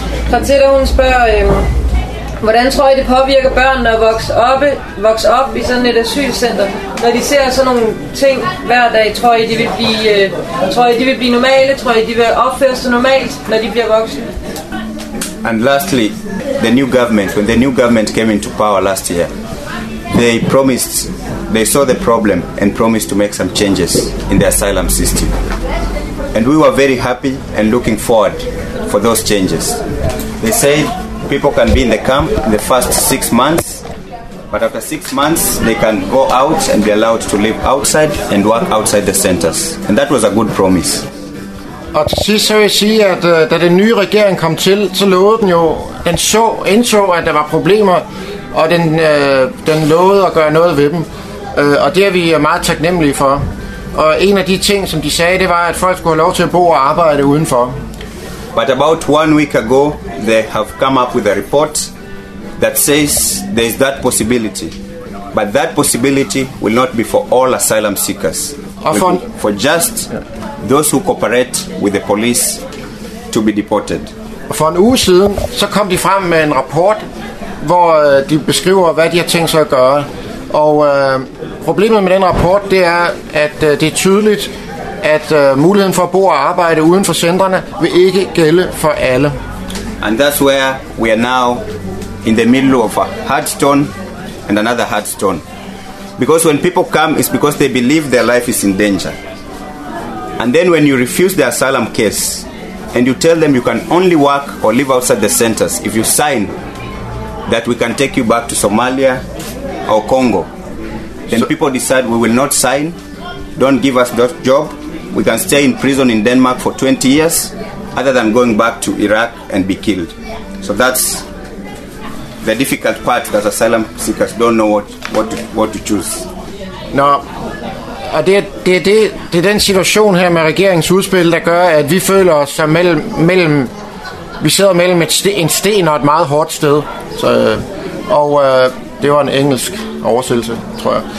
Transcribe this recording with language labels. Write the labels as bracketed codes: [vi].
[da] Katilla, hun spørger, hvordan tror I det påvirker børnene at vokse op i sådan et asylcenter, når de ser sådan nogle ting hver dag? Tror I, de vil blive, normale? Tror I, de vil opføre sig normalt, når de bliver voksne? [en] And lastly, the new government, when the new government came into power last year, they promised, they saw the problem and promised to make some changes in the asylum system. And we were very happy and looking forward for those changes. They said people can be in the camp in the first 6 months, but after 6 months they can go out and be allowed to live outside and work outside the centers. And that was a good promise. [da] Og til sidst så vil jeg sige, at da den nye regering kom til, så lovede den jo, indså, at der var problemer, og den lovede at gøre noget ved dem. Og det er vi meget taknemmelige for. Og en af de ting, som de sagde, det var, at folk skulle have lov til at bo og arbejde udenfor. [en] But about 1 week ago, they have come up with a report that says there is that possibility. But that possibility will not be for all asylum seekers. For just those who cooperate with the police to be deported. [da] For en uge siden, så kom de frem med en rapport, hvor de beskriver, hvad de har tænkt sig at gøre. Og problemet med den rapport, det er, at det er tydeligt, at muligheden for at bo og arbejde uden for centrene vil ikke gælde for alle. [en] And that's where we are now in the middle of a hard stone and another hard stone. Because when people come, it's because they believe their life is in danger. And then when you refuse the asylum case, and you tell them you can only work or live outside the centers if you sign that we can take you back to Somalia or Congo, then so people decide we will not sign, don't give us that job, we can stay in prison in Denmark for 20 years, other than going back to Iraq and be killed. So that's the difficult part, that asylum seekers don't know what to choose. No. [da] Og det er den situation her med regeringens udspil, der gør, at vi føler os som mellem vi sidder mellem en sten og et meget hårdt sted. Så, det var en engelsk oversættelse, tror jeg.